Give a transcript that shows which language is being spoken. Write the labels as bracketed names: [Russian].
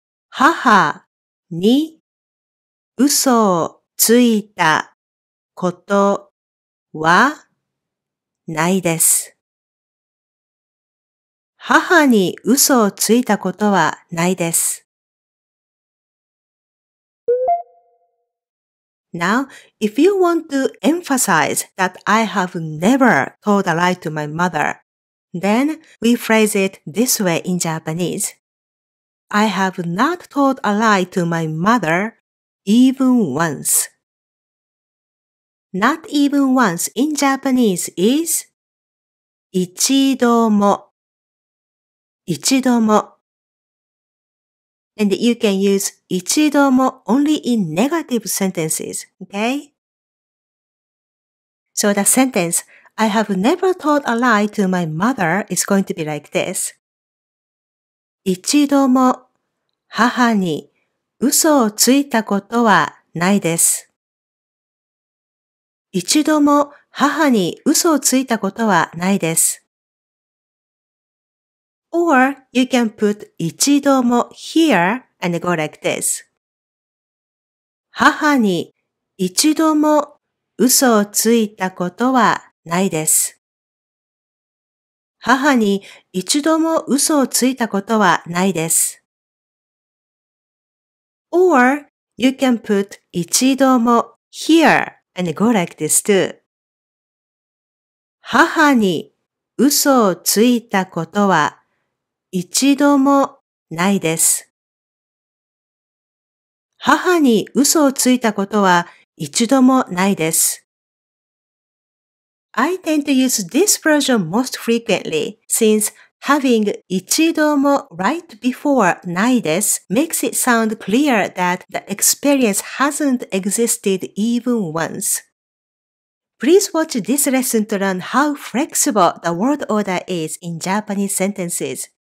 [Japanese] 母に嘘をついたことはないです。母に嘘をついたことはないです。 [English] Now, if you want to emphasize that I have never told a lie to my mother, then we phrase it this way in Japanese. I have not told a lie to my mother even once. Not even once in Japanese is [Japanese] 一度も [English] 一度も And you can use 一度も only in negative sentences, okay? So the sentence, I have never told a lie to my mother is going to be like this. [Japanese] 一度も母に嘘をついたことはないです。一度も母に嘘をついたことはないです。 [English] Or you can put 一度も here and go like this. [Japanese] 母に一度も嘘をついたことはないです。母に一度も嘘をついたことはないです。 [English] Or you can put 一度も here and go like this too. [Japanese] 母に嘘をついたことは一度もないです。母に嘘をついたことは一度もないです。 [English] I tend to use this version most frequently since having 一度も right before ないです makes it sound clear that the experience hasn't existed even once. Please watch this lesson to learn how flexible the word order is in Japanese sentences.